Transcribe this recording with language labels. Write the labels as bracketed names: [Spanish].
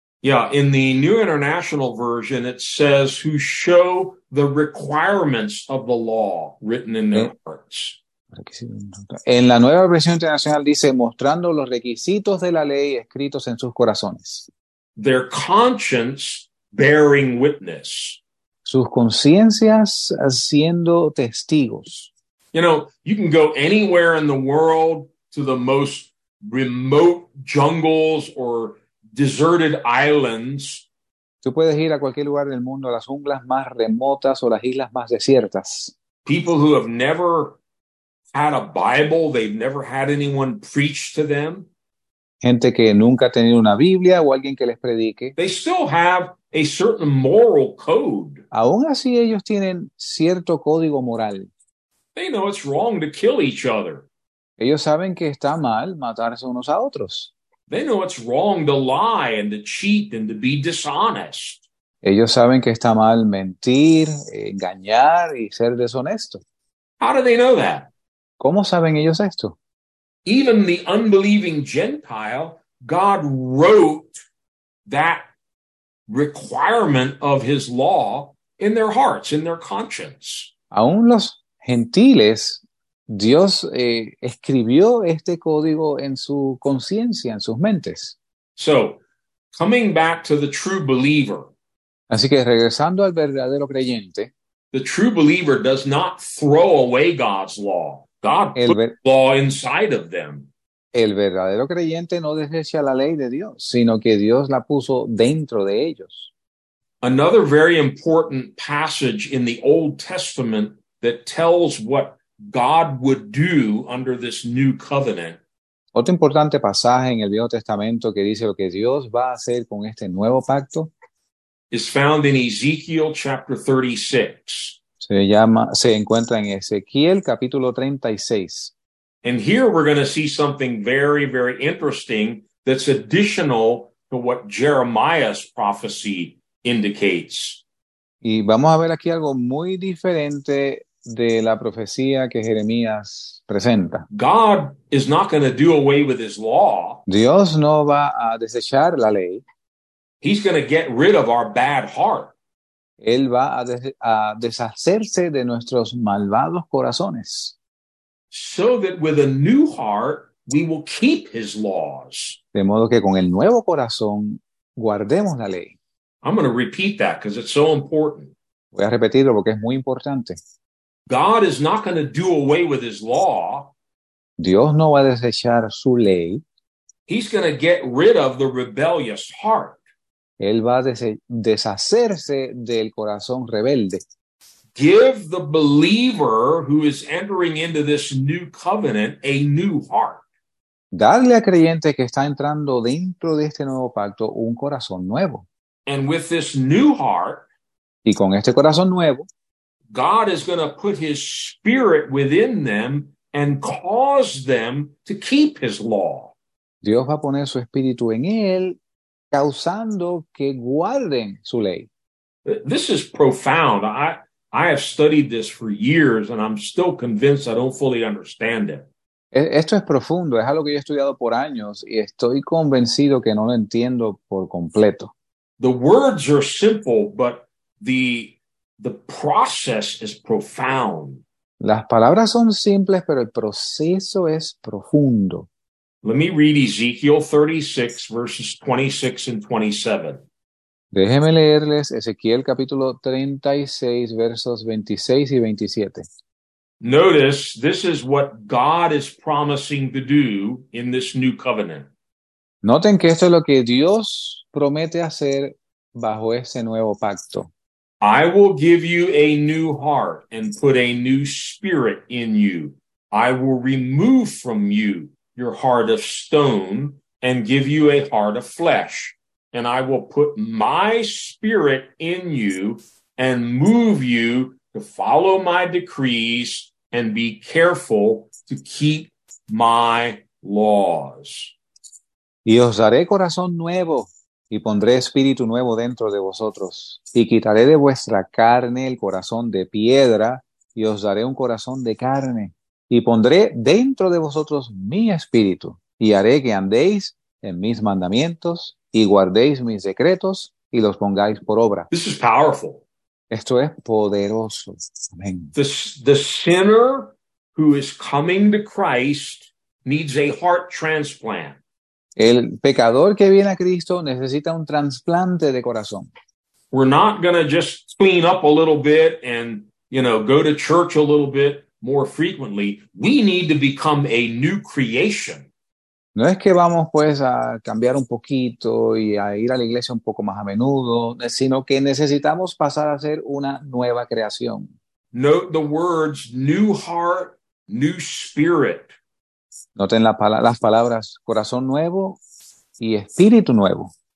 [English] Yeah, in the New International Version, it says, who show the requirements of the law written in their hearts. [Spanish] En la nueva versión internacional dice, mostrando los requisitos de la ley escritos en sus corazones. [English] Their conscience bearing witness. [Spanish] Sus conciencias siendo testigos. [English] You know, you can go anywhere in the world to the most remote jungles or deserted islands. [Spanish] Tú puedes ir a cualquier lugar del mundo, a las junglas más remotas o las islas más desiertas. [English] People who have never had a Bible, they've never had anyone preach to them. [Spanish] Gente que nunca ha tenido una Biblia o alguien que les predique. [English] They still have a certain moral code. [Spanish] Aún así, ellos tienen cierto código moral. [English] They know it's wrong to kill each other. [Spanish] Ellos saben que está mal matarse unos a otros. [English] They know it's wrong to lie and to cheat and to be dishonest. [Spanish] Ellos saben que está mal mentir, engañar y ser deshonesto. [English] How do they know that? [Spanish] ¿Cómo saben ellos esto? [English] Even the unbelieving Gentile, God wrote that requirement of his law in their hearts, in their conscience. [Spanish] Aún los gentiles, Dios escribió este código en su conciencia, en sus mentes. [English] So, coming back to the true believer. [Spanish] Así que regresando al verdadero creyente. [English] The true believer does not throw away God's law. God put the law inside of them. [Spanish] El verdadero creyente no desecha la ley de Dios, sino que Dios la puso dentro de ellos. [English] Another very important passage in the Old Testament that tells what God would do under this new covenant. [Spanish] Otro importante pasaje en el Viejo Testamento que dice lo que Dios va a hacer con este nuevo pacto [English] is found in Ezekiel chapter 36. [Spanish] Se encuentra en Ezequiel capítulo 36. [English] And here we're going to see something very, very interesting that's additional to what Jeremiah's prophecy indicates. [Spanish] Y vamos a ver aquí algo muy diferente de la profecía que Jeremías presenta. [English] God is not going to do away with his law. [Spanish] Dios no va a desechar la ley. [English] He's going to get rid of our bad heart. [Spanish] Él va a deshacerse de nuestros malvados corazones. [English] So that with a new heart, we will keep his laws. [Spanish] De modo que con el nuevo corazón, guardemos la ley. [English] I'm going to repeat that because it's so important. [Spanish] Voy a repetirlo porque es muy importante. [English] God is not going to do away with his law. [Spanish] Dios no va a desechar su ley. [English] He's going to get rid of the rebellious heart. [Spanish] Él va a deshacerse del corazón rebelde. [English] give the believer who is entering into this new covenant a new heart. [Spanish] Darle al creyente que está entrando dentro de este nuevo pacto un corazón nuevo. [English] And with this new heart, [Spanish] y con este corazón nuevo, [English] God is going to put his spirit within them and cause them to keep his law. [Spanish] Dios va a poner su espíritu en él, causando que guarden su ley. [English] This is profound. I have studied this for years and I'm still convinced I don't fully understand it. [Spanish] Esto es profundo, es algo que yo he estudiado por años y estoy convencido que no lo entiendo por completo. [English] The words are simple, but the process is profound. [Spanish] Las palabras son simples, pero el proceso es profundo. [English] Let me read Ezekiel 36, verses 26 and 27. [Spanish] Déjeme leerles Ezequiel capítulo 36, versos 26 y 27. [English] Notice, this is what God is promising to do in this new covenant. [Spanish] Noten que esto es lo que Dios promete hacer bajo ese nuevo pacto. [English] I will give you a new heart and put a new spirit in you. I will remove from you your heart of stone and give you a heart of flesh. And I will put my spirit in you and move you to follow my decrees and be careful to keep my laws. [Spanish] Y os daré corazón nuevo, y pondré espíritu nuevo dentro de vosotros, y quitaré de vuestra carne el corazón de piedra, y os daré un corazón de carne, y pondré dentro de vosotros mi espíritu, y haré que andéis en mis mandamientos, y guardéis mis decretos, y los pongáis por obra. [English] This is powerful. [Spanish] Esto es poderoso. Amén. [English] The sinner who is coming to Christ needs a heart transplant. [Spanish] El pecador que viene a Cristo necesita un trasplante de corazón. [English] We're not going to just clean up a little bit and, you know, go to church a little bit more frequently. We need to become a new creation. [Spanish] No es que vamos pues a cambiar un poquito y a ir a la iglesia un poco más a menudo, sino que necesitamos pasar a ser una nueva creación. [English] Note the words new heart, new spirit. [Spanish] Noten las palabras corazón nuevo y espíritu nuevo.